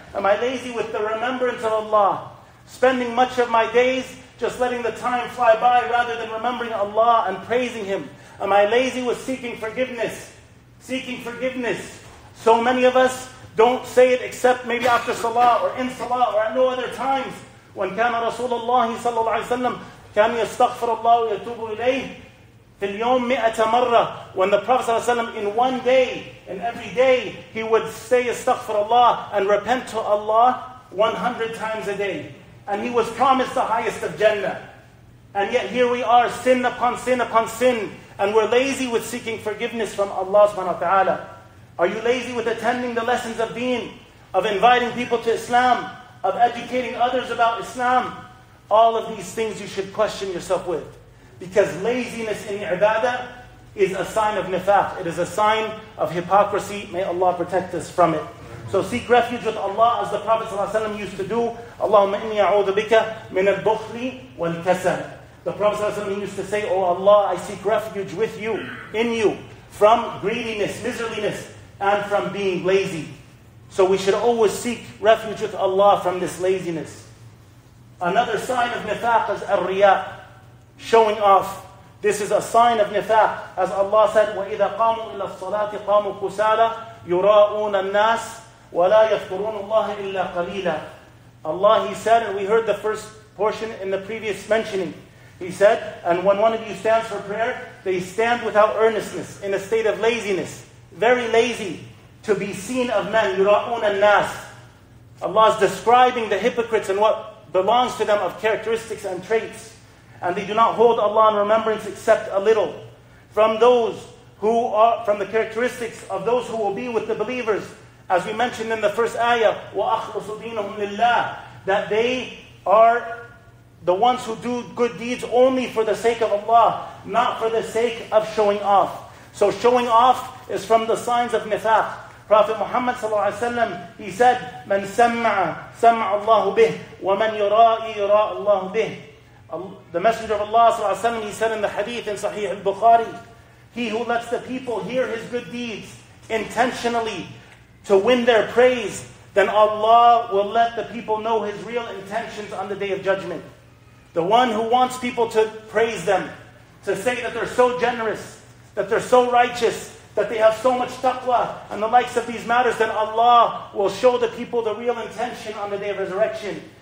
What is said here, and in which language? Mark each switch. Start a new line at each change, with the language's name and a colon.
English: Am I lazy with the remembrance of Allah? Spending much of my days just letting the time fly by rather than remembering Allah and praising Him. Am I lazy with seeking forgiveness? Seeking forgiveness. So many of us don't say it except maybe after salah or in salah or at no other times.
Arabic: When كان رسول الله صلى الله عليه وسلم كان يستغفر الله ويتوب إليه في اليوم مئة مرة.
English: When the Prophet
Arabic: صلى الله عليه وسلم
English: in one day, in every day, he would say
Arabic: استغفر الله
English: and repent to Allah 100 times a day. And he was promised the highest of Jannah. And yet here we are, sin upon sin upon sin. And we're lazy with seeking forgiveness from Allah subhanahu wa ta'ala. Are you lazy with attending the lessons of deen? Of inviting people to Islam? Of educating others about Islam? All of these things you should question yourself with. Because laziness in ibadah is a sign of nifaq. It is a sign of hypocrisy. May Allah protect us from it. So seek refuge with Allah as the Prophet ﷺ used to do.
Arabic: Allahumma inni a'udhu bika min al-bukhli wal-kasal.
English: The Prophet ﷺ used to say, oh Allah, I seek refuge with you, in you, from greediness, miserliness, and from being lazy. So we should always seek refuge with Allah from this laziness. Another sign of nifaq is al-riya', showing off. This is a sign of nifaq. As Allah said,
Arabic: وَإِذَا قَامُوا إِلَى الصَّلَاةِ قَامُوا كُسَالَ يُرَاءُونَ النَّاسِ وَلَا يَفْكُرُونَ اللَّهِ إِلَّا قَلِيلًا.
English: Allah, He said, and we heard the first portion in the previous mentioning. He said, and when one of you stands for prayer, they stand without earnestness, in a state of laziness. Very lazy to be seen of men.
Arabic: يُرَاءُونَ النَّاسِ.
English: Allah is describing the hypocrites and what belongs to them of characteristics and traits. And they do not hold Allah in remembrance except a little. From those who are, from the characteristics of those who will be with the believers, as we mentioned in the first ayah,
Arabic: وَأَخْلُصُ دِينَهُمْ لِلَّهِ,
English: that they are the ones who do good deeds only for the sake of Allah, not for the sake of showing off. So showing off is from the signs of nifaq. Prophet Muhammad ﷺ, he said,
Arabic: مَنْ سَمَّعَ سَمَّعَ اللَّهُ بِهِ وَمَنْ يُرَاءِ يُرَاءَ اللَّهُ بِهِ.
English: The Messenger of Allah sallallahu alaihi wasallam, he said in the hadith in Sahih al-Bukhari, he who lets the people hear his good deeds intentionally to win their praise, then Allah will let the people know his real intentions on the Day of Judgment. The one who wants people to praise them, to say that they're so generous, that they're so righteous, that they have so much taqwa, and the likes of these matters, then Allah will show the people the real intention on the Day of Resurrection.